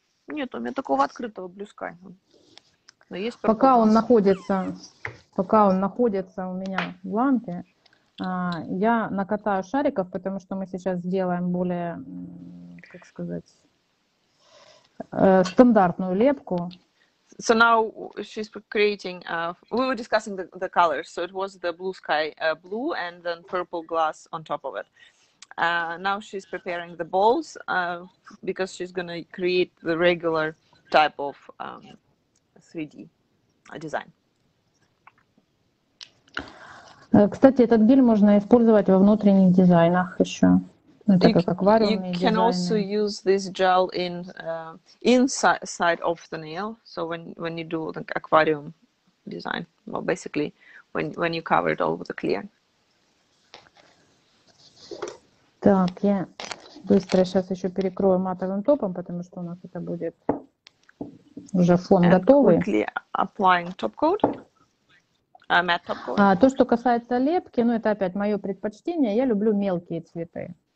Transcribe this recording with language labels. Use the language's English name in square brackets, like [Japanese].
[Russian] Нет, у меня такого открытого Blue Sky. Но есть пока он находится... Пока он находится у меня в лампе, я накатаю шариков, потому что мы сейчас сделаем более, как сказать, стандартную лепку. [English] So now she's creating, we were discussing the colors. So it was the blue sky blue and then purple glass on top of it. Now she's preparing the balls, because she's gonna create the regular type of 3D design. [Russian] Кстати, этот гель можно использовать во внутренних дизайнах еще. Это как аквариумные дизайны. [English] You can also use this gel in inside of the nail. So when you do the aquarium design, well, basically when you cover it all with a clear. [Russian] Так, я быстро сейчас еще перекрою матовым топом, потому что у нас это будет уже фон [English] and [Russian] готовый. [English] Quickly applying top coat. [Russian] То, что касается лепки, ну это опять мое предпочтение, я люблю мелкие цветы.